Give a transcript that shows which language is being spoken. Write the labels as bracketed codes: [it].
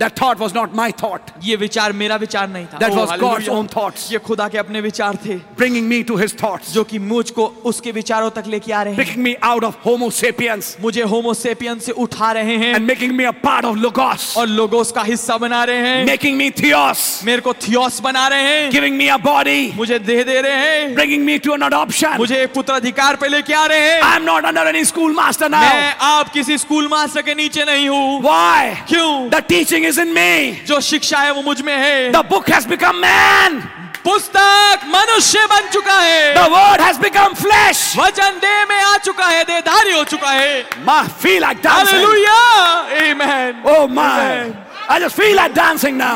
[en] That thought was not my thought. [hi] ये विचार मेरा विचार नहीं था. [en] That was God's own thoughts. [hi] ये खुदा के अपने विचार थे. [en] Bringing me to His thoughts. [hi] जो कि मुझको उसके विचारों तक लेके आ रहे हैं. [en] Picking me out of Homo sapiens. [hi] मुझे Homo sapiens से उठा रहे हैं. [en] And making me a part of Logos. [hi] और लोगोस का हिस्सा बना रहे हैं. [en] Making me Theos. [hi] मेरे को Theos बना रहे हैं. [en] Giving me a body. [hi] मुझे देह दे रहे हैं. [en] Bringing me to an adoption. [hi] मुझे एक पुत्राधिकार पे लेके आ रहे हैं. [en] I'm not under any school master now. [hi] मैं आप किसी स्कूल मास्टर के नीचे नहीं हूँ. [en] Why? [hi] क्यों? [en] The teaching is in me. [hi] जो शिक्षा है वो मुझ में है. [en] The book has become man. [hi] पुस्तक मनुष्य बन चुका है. [en] The word has become flesh. [hi] वचन देह में आ चुका है. देहधारी हो चुका है. [en] I feel like dancing. Hallelujah. Amen. Oh my. I just feel like dancing now.